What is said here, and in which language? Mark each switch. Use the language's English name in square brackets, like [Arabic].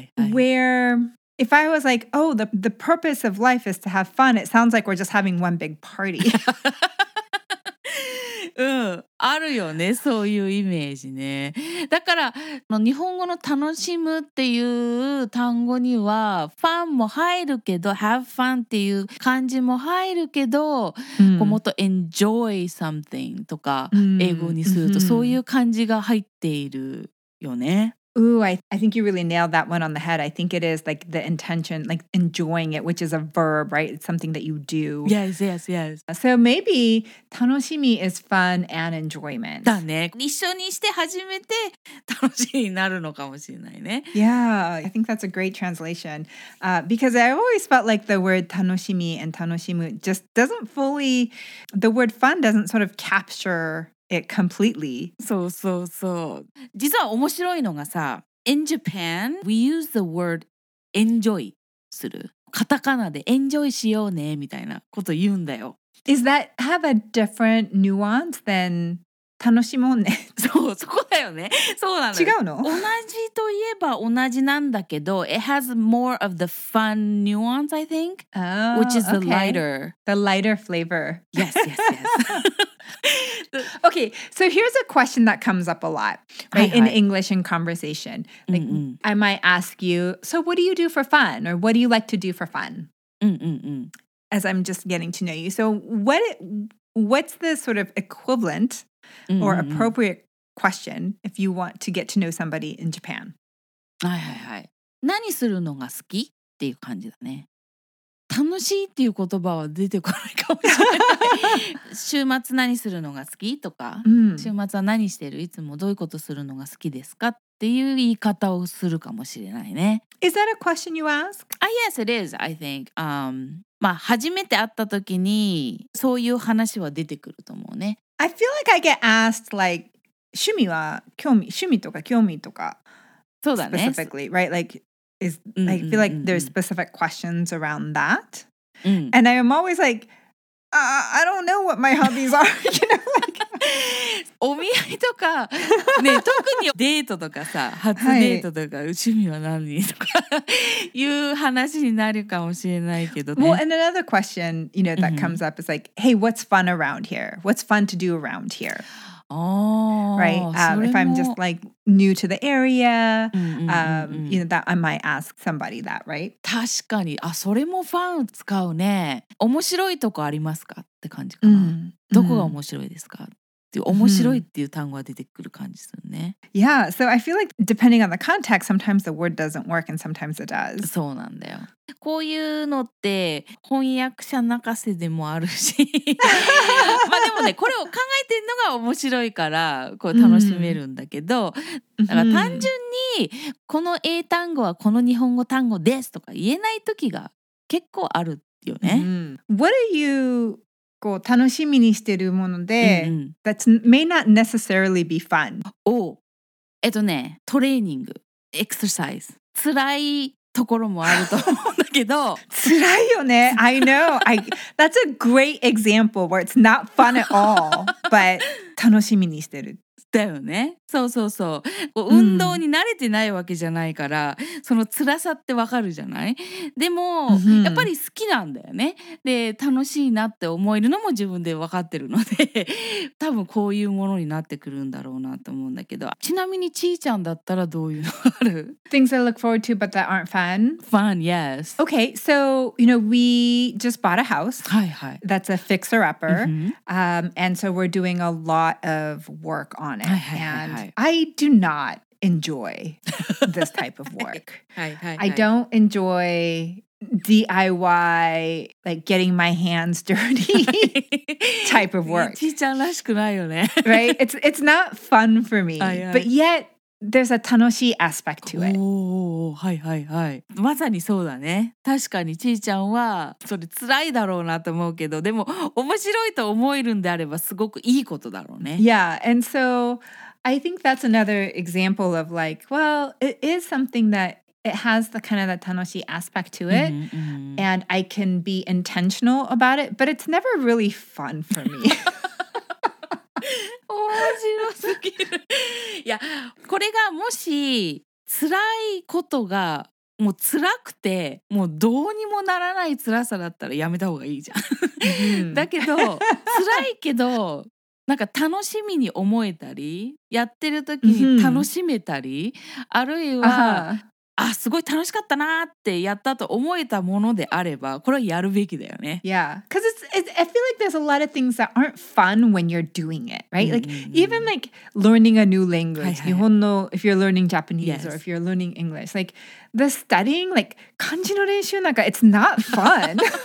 [English] Where if I was like, oh, the purpose of life is to have fun, it sounds like we're just having one big party. [Japanese] うん、あるよね、そういうイメージね。だから日本語の楽しむっていう単語にはファンも入るけど、 [English] have fun [Japanese] っていう漢字も入るけど、うん、こうもっと [English] enjoy something [Japanese] とか英語にすると、うん、そういう漢字が入っているよね。 [English] Ooh, I think you really nailed that one on the head. I think it is like the intention, like enjoying it, which is a verb, right? It's something that you do. Yes, yes, yes. So maybe 楽しみ is fun and enjoyment. [Japanese] だね。一緒にして初めて楽しみになるのかもしれないね。 [English] Yeah, I think that's a great translation. Because I always felt like the word 楽しみ and 楽しむ just doesn't fully, the word fun doesn't sort of capture... It completely. [Japanese] そうそうそう。実は面白いのがさ、 [English] In Japan, we use the word enjoy [Japanese] する。カタカナで enjoy しようねみたいなこと言うんだよ。 [English] Is that have a different nuance than [Japanese] 楽しもうね？そう、そこだよね。そうなの。違うの？同じといえば同じなんだけど、 [English] It has more of the fun nuance, I think. Oh, which is okay. The lighter. The lighter flavor. Yes, yes, yes. Okay, so here's a question that comes up a lot, right, in English in conversation. Like, I might ask you, so what do you do for fun? Or what do you like to do for fun? Mm-mm-mm. As I'm just getting to know you. So what's the sort of equivalent Mm-mm-mm. or appropriate question if you want to get to know somebody in Japan? [Japanese] はいはいはい。何するのが好きっていう感じだね。楽しいっていう言葉は出てこないかもしれない週末何するのが好きとか、週末は何してるいつもどういうことするのが好きですかっていう言い方をするかもしれないね [English] Is that a question you ask? Yes, it is, I think. [Japanese] まあ初めて会った時にそういう話は出てくると思うね [English] I feel like I get asked like [Japanese] 趣味は興味、趣味とか興味とかそうだね [English] Specifically, right? Like,Is I feel like there's specific questions around that. And I am always like, I don't know what my hobbies are. You know, like, [Japanese] お見合いとか、ね、特にデートとかさ、初デートとか、趣味は何とかいう話になるかもしれないけどね。 [English] Well, and another question, you know, that comes up is like, hey, what's fun around here? What's fun to do around here? Oh, right. If I'm just like new to the area, you know, that I might ask somebody that, right? [Japanese] 確かに。あ、それもファン使うね。面白いとこありますかって感じかな。どこが面白いですか？って面白いっていう単語が出てくる感じするね。 [English] Yeah, so I feel like depending on the context, sometimes the word doesn't work and sometimes it does. [Japanese] そうなんだよ。こういうのって翻訳者泣かせでもあるし。まあでもね、これを考えてるのが面白いからこう楽しめるんだけど、だから単純にこの英単語はこの日本語単語ですとか言えない時が結構あるよね。 [English] What are you... [Japanese] こう楽しみにしてるもので、 [English] that may not necessarily be fun. [Japanese] トレーニング、エクササイズ。辛いところもあると思うんだけど。辛いよね。 [English] I know. That's a great example where it's not fun at all, but [Japanese] 楽しみにしてる。だよね。そうそうそう。こう運動に慣れてないわけじゃないから、その辛さってわかるじゃない？でも、やっぱり好きなんだよね。で、楽しいなって思えるのも自分でわかってるので、多分こういうものになってくるんだろうなと思うんだけど。ちなみにちーちゃんだったらどういうのある [English] ？Things I look forward to but that aren't fun. Fun, yes. Okay, so, you know, we just bought a house. [Japanese] はいはい。 [English] That's a fixer-upper. And so we're doing a lot of work on it. And I do not enjoy this type of work. I don't enjoy DIY, like getting my hands dirty type of work. [Japanese] Teacher らしくないよね。 [English] Right? It's not fun for me. But yet, there's a 楽しい aspect to it. [Japanese] はいはいはい。まさにそうだね。確かにちーちゃんはそれ辛いだろうなと思うけど、でも面白いと思えるんであればすごくいいことだろうね。 [English] Yeah, and so I think that's another example of like, well, it is something that it has the kind of the 楽しい aspect to it, and I can be intentional about it, but it's never really fun for me. [Japanese] 面白すぎる。いや、これがもし辛いことがもう辛くてもうどうにもならない辛さだったらやめた方がいいじゃん。だけど辛いけどなんか楽しみに思えたり、やってる時に楽しめたり、あるいはあ、すごい楽しかったなってやったと思えたものであれば、これはやるべきだよね。 [English] Yeah, because I feel like there's a lot of things that aren't fun when you're doing it, right? Like, even like learning a new language, [Japanese] 日本の [English] if you're learning Japanese or if you're learning English, like the studying, like [Japanese] 漢字の練習なんか [English] it's not fun.